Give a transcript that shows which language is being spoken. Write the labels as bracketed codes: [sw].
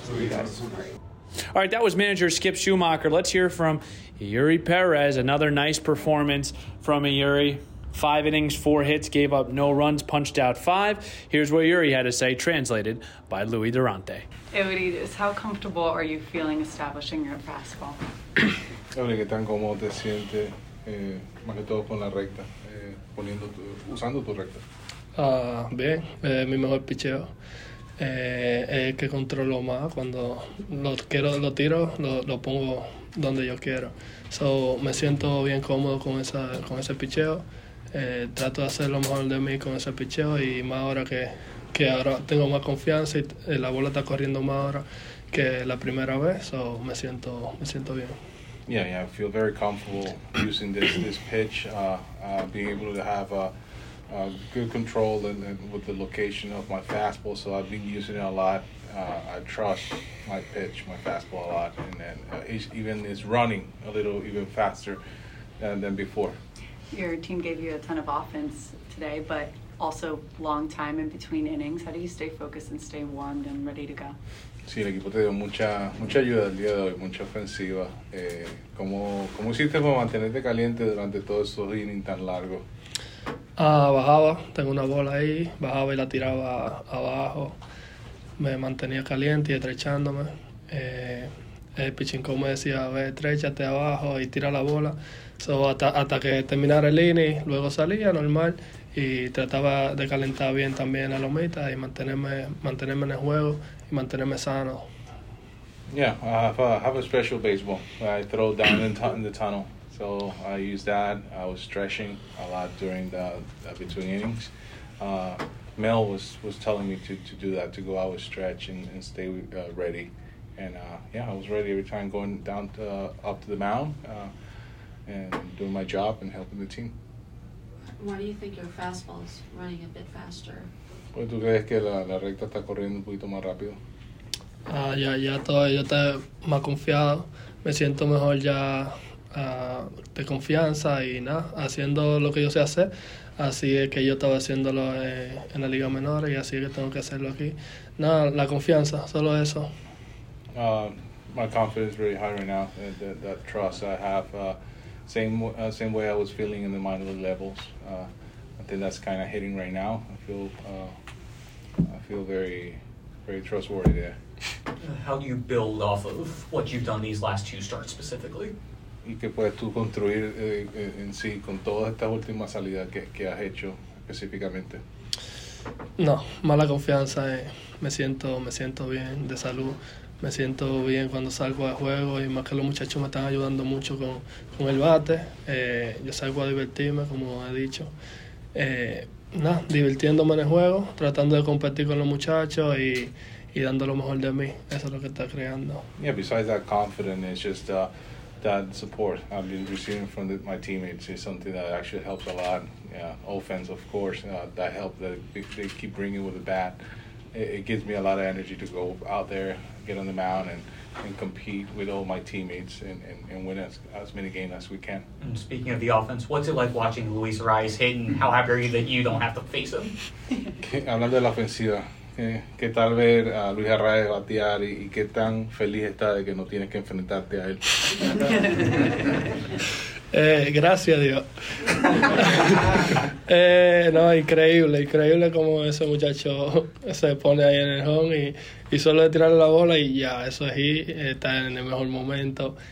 [en] Thank you. All right, that was manager Skip Schumacher. Let's hear from Yuri Perez. Another nice performance from Yuri. 5 innings, 4 hits, gave up no runs, punched out 5. Here's what Yuri had to say, translated by Louis Durante. Euridis, how comfortable are you feeling establishing your fastball? [es] Euridis, ¿qué tan cómodo te sientes, más que todo con la recta, poniendo tu, usando tu recta? Bien, mi mejor picheo. Es el que controlo más. Cuando lo quiero, lo tiro, lo pongo donde yo quiero. So, me siento bien cómodo con ese picheo. Trato de hacer lo mejor de mí con ese picheo y más ahora que ahora tengo más confianza y la bola está corriendo más ahora que la primera vez, so me siento bien. [en] Yeah, I feel very comfortable using this pitch, being able to have a good control and with the location of my fastball, so I've been using it a lot. I trust my pitch, my fastball a lot, and then it's running a little even faster than before. Your team gave you a ton of offense today, but also long time in between innings. How do you stay focused and stay warmed and ready to go? [es] Sí, el equipo te dio mucha ayuda el día de hoy, mucha ofensiva. ¿Cómo hiciste para mantenerte caliente durante todos esos innings tan largos? Bajaba, tengo una bola ahí, bajaba y la tiraba abajo. Me mantenía caliente y estrechándome. El pitching coach me decía, ve, estrechate abajo y tira la bola. So, hasta que terminara el inning, luego salía normal y trataba de calentar bien también a los mitas y mantenerme en el juego y mantenerme sano. [en] Yeah, I have a special baseball. I throw down in the tunnel. So I use that. I was stretching a lot during the between innings. Mel was telling me to do that, to go out and stretch and stay ready. And I was ready every time going down to, up to the mound. And doing my job and helping the team. Why do you think your fastball is running a bit faster? [es] Pues tú crees que la recta está corriendo un poquito más rápido. Ya todo, yo estoy más confiado, me siento mejor ya de confianza y nada, haciendo lo que yo sé hacer, así es que yo estaba haciéndolo en la liga menor y así es que tengo que hacerlo aquí. Nada, la confianza, solo eso. [en] My confidence is really high right now. That trust I have. Same way I was feeling in the minor league levels. I think that's kind of hitting right now. I feel very, very trustworthy there. How do you build off of what you've done these last 2 starts specifically? [es] ¿Y qué puedes tú construir en sí con todas estas últimas salidas que has hecho específicamente? No, mala confianza. Me siento bien de salud. Me siento bien cuando salgo de juego y más que los muchachos me están ayudando mucho con el bate. Yo salgo a divertirme, como he dicho. Divirtiéndome en el juego, tratando de competir con los muchachos y dando lo mejor de mí. Eso es lo que está creando. [en] Yeah, besides that confidence, it's just that support I've been receiving from my teammates is something that actually helps a lot. Yeah, offense, of course, that help that they keep bringing with the bat. It gives me a lot of energy to go out there, get on the mound, and compete with all my teammates and win as many games as we can. And speaking of the offense, what's it like watching Luis Rice hit, and how happy are you that you don't have to face him? [es] Hablando de la ofensiva, ¿qué tal ver a Luis Rice batear y qué tan feliz está de que no tienes que enfrentarte a él? Gracias a Dios. increíble como ese muchacho se pone ahí en el home y solo de tirarle la bola y ya, eso es, y está en el mejor momento.